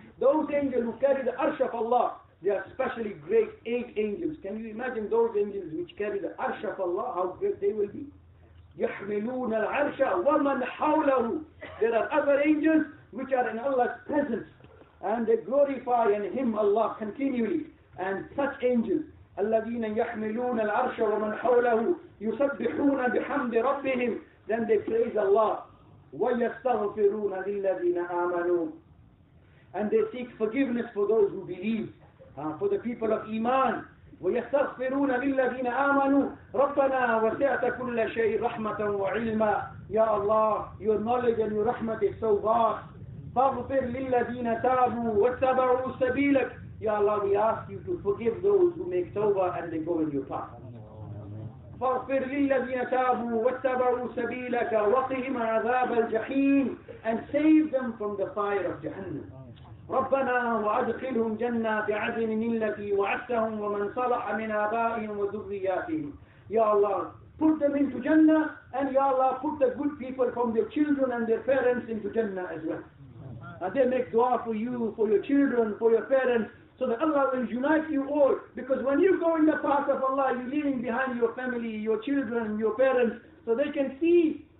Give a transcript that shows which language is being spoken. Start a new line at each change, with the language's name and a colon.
English: Those angels who carry the arsh of Allah. They are specially great 8 angels. Can you imagine those angels which carry the arsh of Allah, how great they will be?
Arabic: يَحْمِلُونَ الْعَرْشَ وَمَنْ حَوْلَهُ.
English: There are other angels which are in Allah's presence. And they glorify in Him, Allah, continually. And such angels,
Arabic: الذين يحملون العرش ومن حوله يسبحون بحمد ربهم.
English: Then they praise Allah.
Arabic: ويستغفرون للذين آمنوا.
English: And they seek forgiveness for those who believe, for the people of Iman.
Arabic: ويستغفرون للذين آمنوا ربنا وسعت كل شيء رحمة وعلما.
English: يا الله, your knowledge and your rahmat is so vast.
Arabic: فاغفر للذين تابوا واتبعوا سبيلك.
English: يا الله, we ask you to forgive those who make tawbah and they go in your path.
Arabic: فاغفر للذين تابوا واتبعوا سبيلك وقهم عذاب الجحيم.
English: And save them from the fire of Jahannam.
Arabic: ربنا وأدخلهم جنات عدن التي وعدتهم ومن صلح من آبائهم وذرياتهم.
English: يا الله, put them into Jannah, and يا الله, put the good people from their children and their parents into Jannah as well. And they make dua for you, for your children, for your parents, so that Allah will unite you all. Because when you go in the path of Allah, you're leaving behind your family, your children, your parents, so they can see.